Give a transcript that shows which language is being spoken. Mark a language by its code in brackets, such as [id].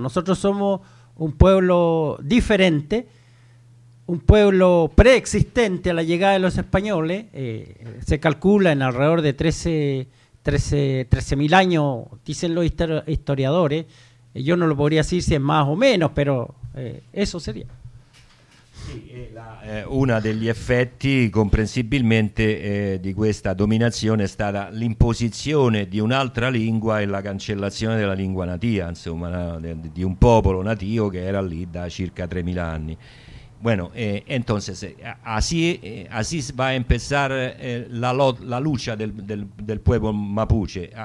[es] Nosotros somos un pueblo diferente, un pueblo preexistente a la llegada de los españoles. Se calcula en alrededor de 13.000 años, dicen los historiadores. Yo no lo podría decir si es más o menos, pero eso sería. [it] Una degli effetti, comprensibilmente, di questa dominazione è stata l'imposizione di un'altra lingua e la cancellazione della lingua nativa, insomma, di un popolo nativo che era lì da circa 3.000 anni. [es] Bueno, entonces, así va a empezar la lucha del pueblo mapuche.